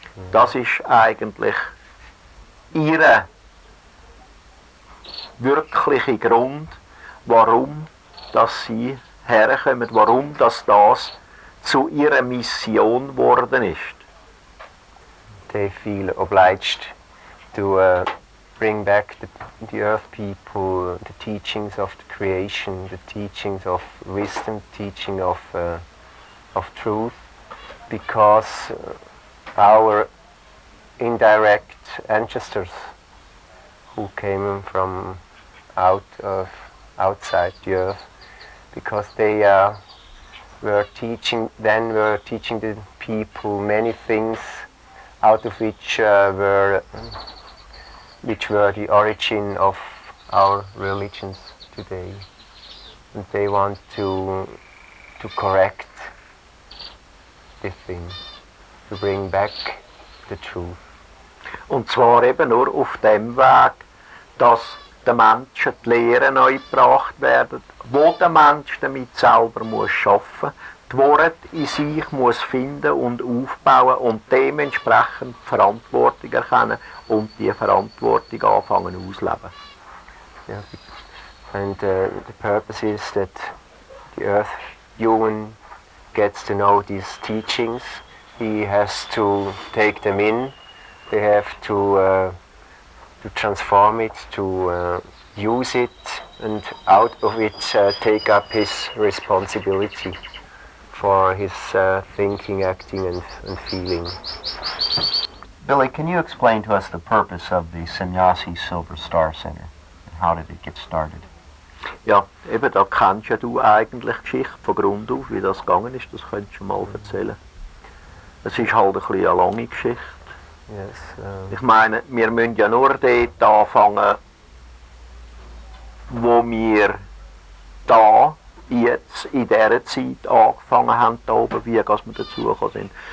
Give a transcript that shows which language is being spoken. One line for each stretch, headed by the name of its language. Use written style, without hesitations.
German: Das ist eigentlich ihre wirkliche Grund, warum dass sie herkommen, warum dass das zu ihrer Mission worden ist.
English: They feel obliged to bring back the earth people, the teachings of the creation, the teachings of wisdom, teaching of truth, because our indirect ancestors who came from outside the earth, because they were teaching the people many things out of which were the origin of our religions today. And they want to correct this thing, to bring back the truth.
German: Und zwar eben nur auf dem Weg, dass den Menschen die Lehre neu gebracht werden, wo der Mensch damit selber muss arbeiten, die Worte in sich muss finden und aufbauen und dementsprechend Verantwortung erkennen und die Verantwortung anfangen ausleben.
English: Ja, and the purpose is that the Earth human gets to know these teachings, He has to take them in. They have to transform it, to use it, and out of it take up his responsibility for his thinking, acting, and feeling. Billy, can you explain to us the purpose of the Sannyasi Silver Star Center? And how did it get started?
German: Ja, eben, da kennst ja du eigentlich die Geschichte von Grund auf, wie das gegangen ist, das könntest du mal erzählen. Es ist halt ein bisschen eine lange Geschichte.
English: Yes,
German: Ich meine, wir müssen ja nur dort anfangen, wo wir da jetzt in dieser Zeit angefangen haben, da oben, wie wir dazugekommen sind.